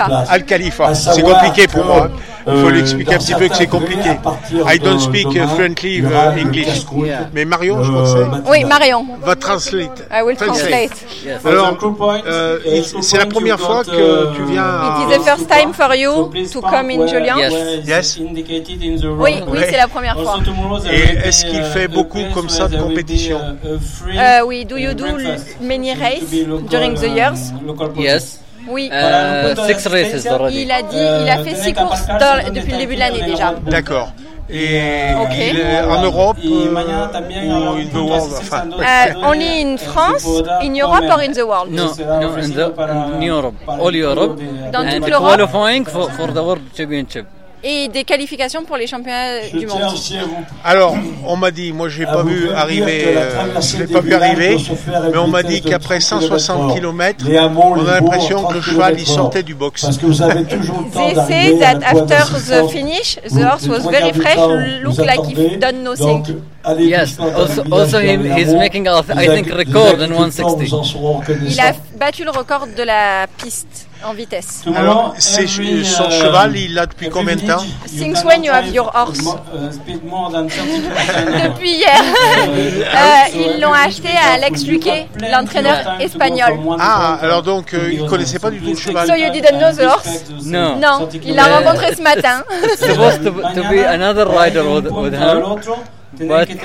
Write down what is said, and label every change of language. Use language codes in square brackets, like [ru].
[fr] Al-Khalifa. C'est compliqué pour moi. Il faut lui expliquer un petit peu que c'est compliqué. [en] I don't speak fluently English. [fr] Mais Marion, je crois que c'est. Oui, Marion. Va translate. [en] I will translate. [fr] Alors, c'est la première fois que tu viens. [en] It is the first time for you to come in Julian. Yes. [fr] Oui, oui, c'est la première fois. Et est-ce qu'il fait beaucoup comme ça de compétition? [en] Oui, do you do many races during the years? Yes. [fr] Oui, [en] six races already. [fr] Il a dit, il a fait six courses depuis le début de l'année déjà. D'accord. Et il est en Europe ou [en] in the world, Only in France, in Europe or in the world? No, in Europe, all Europe. [fr] Dans toute l'Europe. [en] Qualifying for the World Championship. [fr] Et des qualifications pour les championnats du monde. Alors, on m'a dit, moi j'ai pas vu arriver, je l'ai pas vu arriver, mais on m'a dit qu'après 160 km, on a l'impression que le cheval il sortait du box. [en] They say that after the finish, the horse was very fresh, look like he done no sink. Yes, also he's making, I think, record in 160. [fr] Il a battu le record de la piste. En vitesse. Alors, c'est son cheval, il l'a depuis combien de temps? [en] Since when you have your horse? [fr] Depuis hier. ils l'ont acheté à Alex Luquet, l'entraîneur espagnol. Ah, alors donc, il ne connaissait pas du tout le cheval. [en] So you didn't know the horse? No. [fr] Non, il l'a rencontré ce matin. [en] It's supposed to be another rider with him.